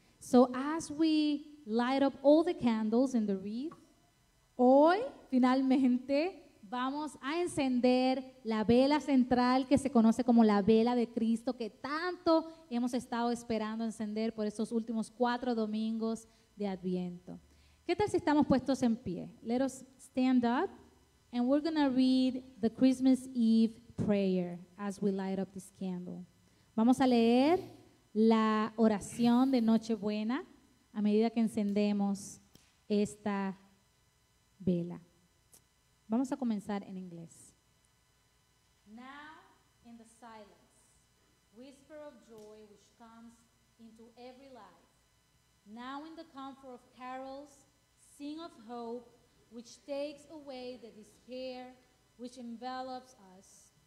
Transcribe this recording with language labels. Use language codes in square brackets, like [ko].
[en] So as we light up all the candles in the wreath, [es] hoy, finalmente, vamos a encender la vela central que se conoce como la vela de Cristo que tanto hemos estado esperando encender por estos últimos 4 domingos de Adviento. ¿Qué tal si estamos puestos en pie? [en] Let us stand up and we're going to read the Christmas Eve prayer as we light up this candle. [es] Vamos a leer la oración de Nochebuena a medida que encendemos esta vela. Vamos a comenzar en inglés. [en] Now, in the silence, whisper of joy which comes into every life. Now, in the comfort of carols, sing of hope which takes away the despair which envelops us.